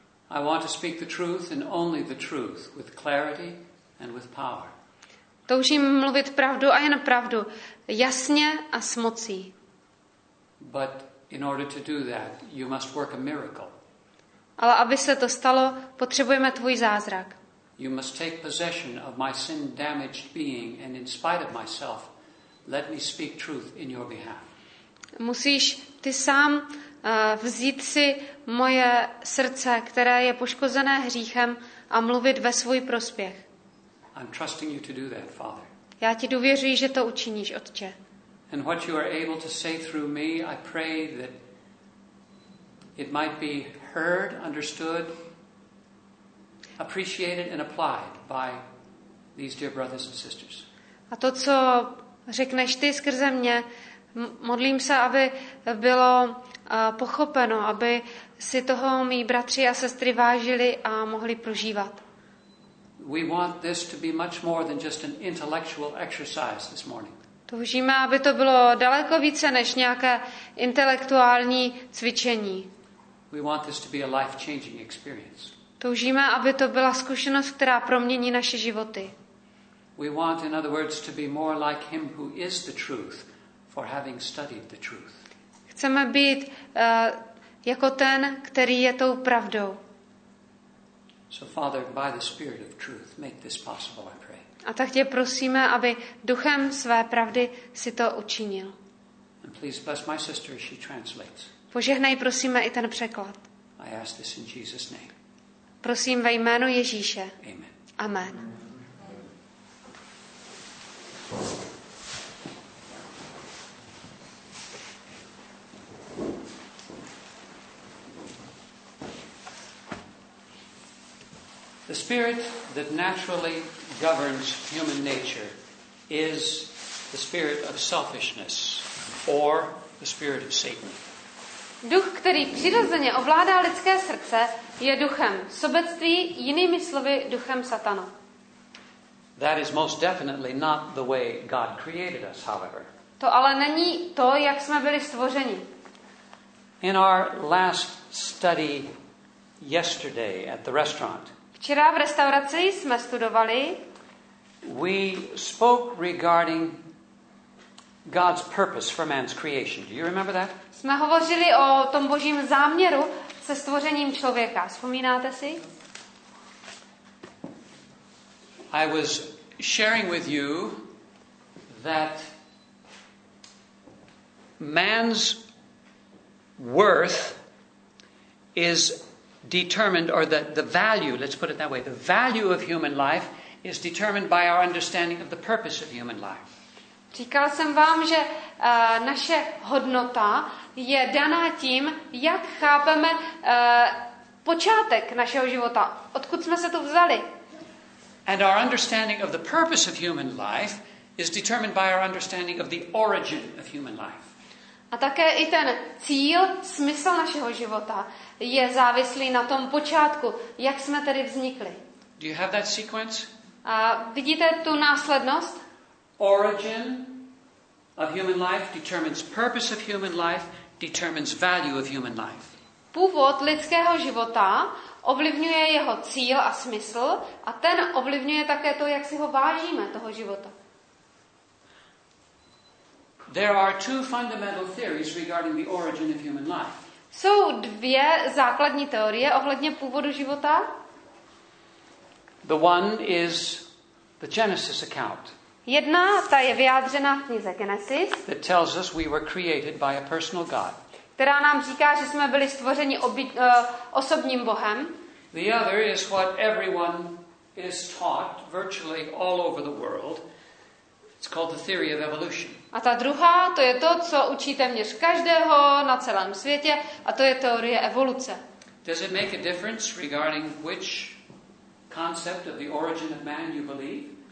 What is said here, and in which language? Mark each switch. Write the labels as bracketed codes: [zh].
[en] I want to speak the truth and only the truth with clarity and with power. [cs] Toužím mluvit pravdu a jen pravdu, jasně a s mocí. [en] But in order to do that, you must work a miracle. [cs] Ale aby se to stalo, potřebujeme tvůj zázrak. [en] You must take possession of my sin damaged being and in spite of myself, let me speak truth in your behalf. [cs] Musíš ty sám vzít si moje srdce, které je poškozené hříchem, a mluvit ve svůj prospěch. [en] I'm trusting you to do that, Father. [cs] Já ti důvěřuji, že to učiníš, Otče. [en] And what you are able to say through me, I pray that it might be heard, understood, appreciated and applied by these dear brothers and sisters. [cs] A to, co řekneš ty skrze mě, modlím se, aby bylo pochopeno, aby si toho mý bratři a sestry vážili a mohli prožívat. [en] We want this to be much more than just an intellectual exercise this morning. [cs] Toužíme, aby to bylo daleko více než nějaké intelektuální cvičení. [en] We want this to be a life-changing experience. [cs] Toužíme, aby to byla zkušenost, která promění naše životy. [en] We want, in other words, to be more like him who is the truth, for having studied the truth. [cs] Chceme být jako ten, který je tou pravdou. [en] So Father, by the Spirit of truth, make this possible, I pray. [cs] A tak tě prosíme, aby duchem své pravdy si to učinil. [en] And please bless my sister as she translates. [cs] Požehnej prosíme i ten překlad. [en] I ask this in Jesus name. [cs] Prosím ve jménu Ježíše. [en] Amen. [cs] Amen. [en] The spirit that naturally governs human nature is the spirit of selfishness or the spirit of Satan. [cs] Duch, který přirozeně ovládá lidské srdce, je duchem sobectví, jinými slovy duchem Satana. [en] That is most definitely not the way God created us, however. [cs] To ale není to, jak jsme byli stvořeni. [en] In our last study yesterday at the restaurant. [cs] Včera v restauraci jsme studovali. [en] We spoke regarding God's purpose for man's creation. Do you remember that? [cs] Jsme hovořili o tom Božím záměru se stvořením člověka. Vzpomínáte si? [en] I was sharing with you that man's worth is determined, or that the value, let's put it that way, the value of human life is determined by our understanding of the purpose of human life. [cs] Říkala jsem vám, že naše hodnota je daná tím, jak chápeme počátek našeho života, odkud jsme se to vzali. [en] And our understanding of the purpose of human life is determined by our understanding of the origin of human life. [cs] A také i ten cíl, smysl našeho života je závislý na tom počátku, jak jsme tedy vznikli. [en] Do you have that sequence? [cs] A vidíte tu následnost? [en] Origin of human life determines purpose of human life, determines value of human life. [cs] Původ lidského života ovlivňuje jeho cíl a smysl a ten ovlivňuje také to, jak si ho vážíme, toho života. [en] There are two fundamental theories regarding the origin of human life. [cs] Jsou dvě základní teorie ohledně původu života. [en] The one is the Genesis account. [cs] Jedna, ta je vyjádřena v knize Genesis. [en] That tells us we were created by a personal God. [cs] Která nám říká, že jsme byli stvořeni osobním Bohem. [en] The other is what everyone is taught virtually all over the world. It's called the theory of evolution. [cs] A ta druhá, to je to, co učí téměř každého na celém světě, a to je teorie evoluce. [en] Does it make a difference regarding which concept of the origin of man you believe?